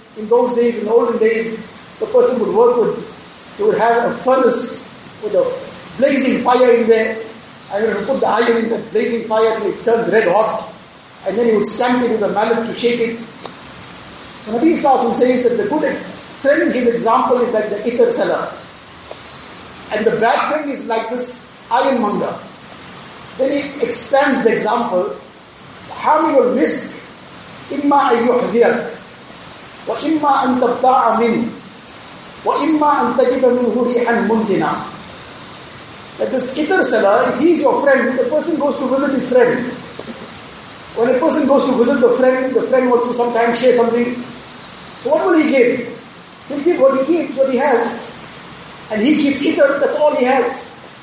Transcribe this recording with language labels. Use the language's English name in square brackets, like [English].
[English] In those days, in the olden days, the person would work with, he would have a furnace with a blazing fire in there, and he would put the iron in the blazing fire till it turns red hot, and then he would stamp it with a mallet to shake it. So Nabi Islam says that the good friend, his example is like the itar seller. And the bad friend is like this ironmonger. Then he expands the example. [Arabic] حامل المسك إما أن يحذيك وإما أن تبتاع منه وَإِمَّا أَن تَجِدَ مِنْهُ رِيحًا مُنْدِنًا. [English] That this itar sala, if he is your friend, the person goes to visit his friend. When a person goes to visit the friend wants to sometimes share something. So what will he give? He'll give what he keeps, what he has. And he keeps itar, that's all he has.